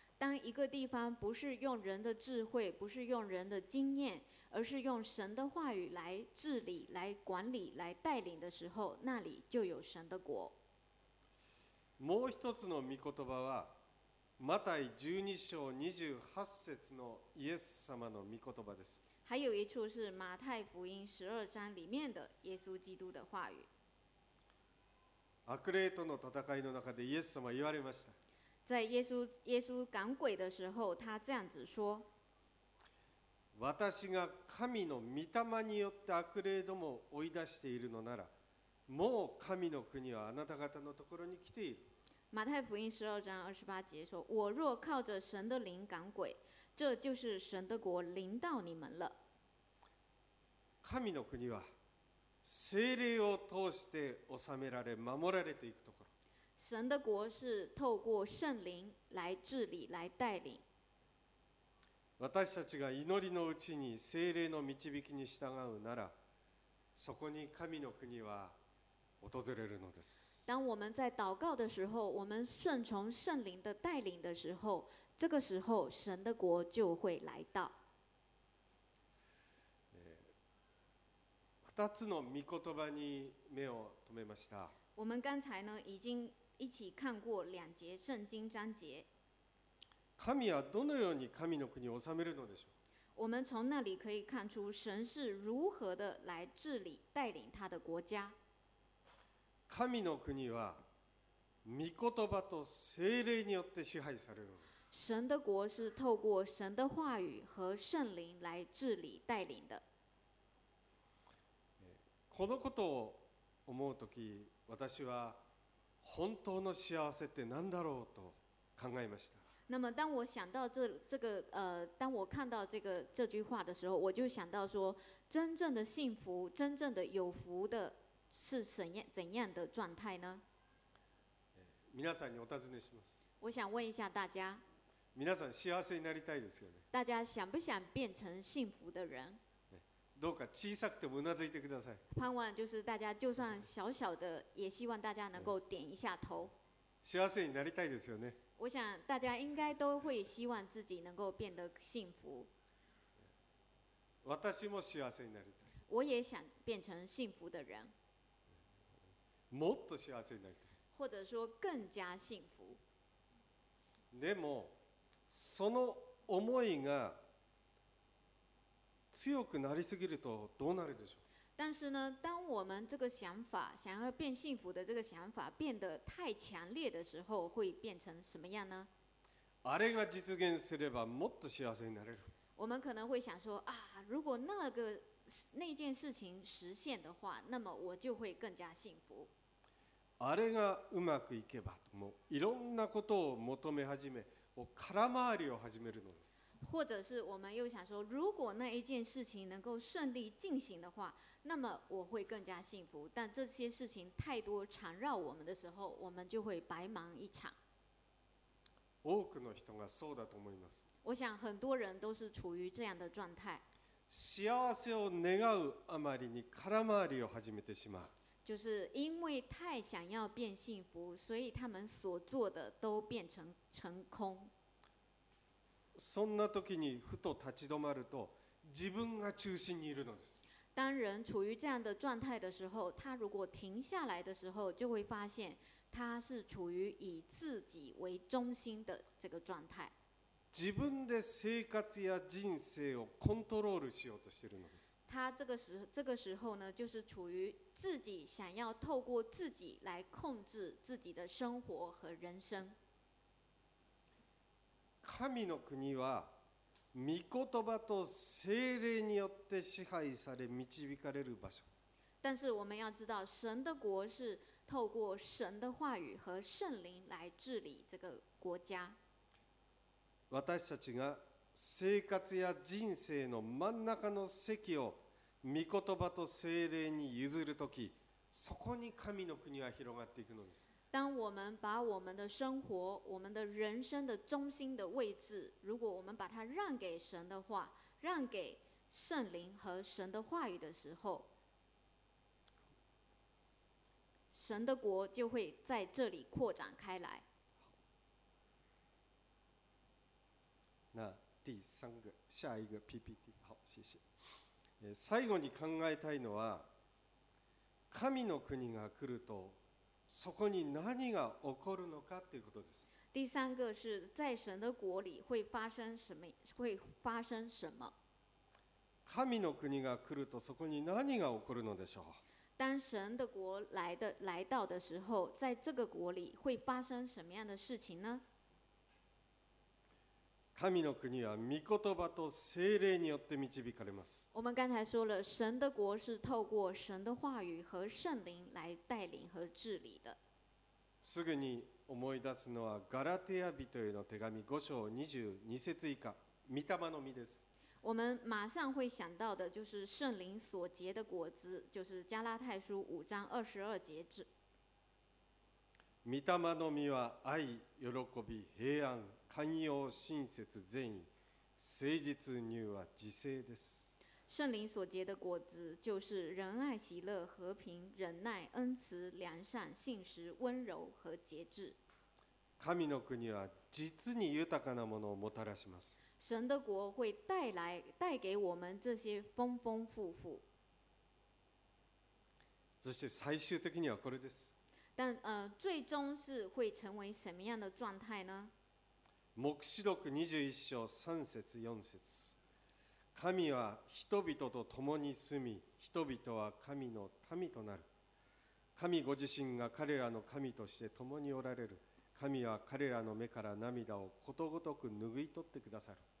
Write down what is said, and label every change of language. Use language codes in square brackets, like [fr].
[zh] 当一个地方不是用人的智慧，不是用人的经验，而是用神的话语来治理、来管理、来带领的时候，那里就有神的国。 [ja] もう一つの御言葉はマタイ12章28節のイエス様の御言葉です。 [zh] 还有一处是马太福音十二章里面的耶稣基督的话语。 [ja] 悪霊との戦いの中でイエス様は言われました。 [zh] 在耶稣赶鬼的时候，他这样子说： [ja] 私が神の御霊によって悪霊どもを追い出しているのなら、もう神の国はあなた方のところに来ている。 [zh] 马太福音十二章二十八节说：我若靠着神的灵赶鬼。这就是神的国临到你们了。 [ja] 神の国は聖霊を通して治められ守られていくところ。 [zh] 神的国是透过圣灵来治理来带领。 [ja] 私たちが祈りのうちに聖霊の導きに従うなら、そこに神の国は訪れるのです。 [zh] 当我们在祷告的时候，我们顺从圣灵的带领的时候，这个时候神的国就会来到。 [ja] 二つの御言葉に目を留めました。 [zh] 我们刚才呢已经一起看过两节圣经章节。 [ja] 神はどのように神の国を治めるのでしょう。 [zh] 我们从那里可以看出神是如何的来治理带领他的国家。 [ja] 神の国は御言葉と聖霊によって支配される。 [zh] 神的国是透过神的话语和圣灵来治理带领的。 [ja] このことを思うとき、私は本当の幸せって何だろうと考えました。 [zh] 那么当我想到 当我看到 这句话的时候，我就想到说，真正的幸福，真正的有福的是怎样的状态呢？ [ja] 皆さんにお尋ねします。 [zh] 我想问一下大家。 [ja] 皆さん幸せになりたいですよね。 [zh] 大家想不想变成幸福的人？ [ja] どうか小さくてもうなずいてください。 [zh] 盼望就是大家就算小小的，也希望大家能够点一下头。 [ja] 幸せになりたいですよね。 [zh] 我想大家应该都会希望自己能够变得幸福。 [ja] 私も幸せになりたい。 [zh] 我也想变成幸福的人。 [ja] もっと幸せになりたい。 [zh] 或者说更加幸福。 [ja] でもその思いが強くなりすぎるとどうなるでしょう。 [zh] 但是呢，当我们这个想法想要变幸福的这个想法变得太强烈的时候，会变成什么样呢？ [ja] あれが実現すればもっと幸せになれる。 [zh] 我们可能会想说啊，如果那件事情实现的话，那么我就会更加幸福。 [ja] あれがうまくいけば、もういろんなことを求め始め、空回りを始めるのです。 [zh] 或者是我们又想说，如果那一件事情能够顺利进行的话，那么我会更加幸福。但这些事情太多缠绕我们的时候，我们就会白忙一场。 [ja] 多くの人がそうだと思います。 [zh] 我想很多人都是处于这样的状态。 [ja] 幸せを願うあまりに空回りを始めてしまう。 [zh] 就是因为太想要变幸福，所以他们所做的都变成成空。 [ja] そんな時にふと立ち止まると、自分が中心にいるのです。 [zh] 当人处于这样的状态的时候，他如果停下来的时候，就会发现他是处于以自己为中心的这个状态。 [ja] 自分で生活や人生をコントロールしようとしているのです。 [zh] 他这个时候呢，就是处于自己想要透过自己来控制自己的生活和人生。 [ja] 神の国は御言葉と聖霊によって支配され導かれる場所。 [zh] 但是我们要知道，神的国是透过神的话语和圣灵来治理这个国家。 [ja] 私たちが生活や人生の真ん中の席を御言葉と聖霊に譲るとき、そこに神の国は広がっていくのです。 [zh] 当我们把我们的生活、我们的人生的中心的位置，如果我们把它让给神的话，让给圣灵和神的话语的时候，神的国就会在这里扩展开来。那第三个，下一个 PPT， 好，谢谢。 [ja] 最後に考えたいのは、神の国が来るとそこに何が起こるのかということです。 [zh] 第三个是在神的国里会发生什么？会发生什么？ [ja] 神の国が来るとそこに何が起こるのでしょう？ [zh] 当神的国来的来到的时候，在这个国里会发生什么样的事情呢？ [ja] 神の国は御言葉と聖霊によって導かれます。 [zh] 我们刚才说了，神的国是透过神的话语和圣灵来带领和治理的。 [ja] すぐに思い出すのはガラテヤ人への手紙5章22節以下、御霊の実です。 [zh] 我们马上会想到的就是圣灵所结的果子，就是加拉太书五章二十二节止。 [ja] 御霊の実は愛、喜び、平安。寛容、親切、善意、誠実、柔和、自制です。 [zh] 聖靈所結的果子就是仁愛、喜樂、和平、忍耐、恩慈、良善、信實、温柔和節制。 [ja] 神の国は実に豊かなものをもたらします。 [zh] 神的国会帶來、帶給我們這些豐豐富富。 [ja] そして最終的にはこれです。 [zh] 但最終是會成為什麼樣的狀態呢？ [ja] 黙示録21章3節4節、神は人々と共に住み、人々は神の民となる。神ご自身が彼らの神として共におられる。神は彼らの目から涙をことごとく拭い取ってくださる。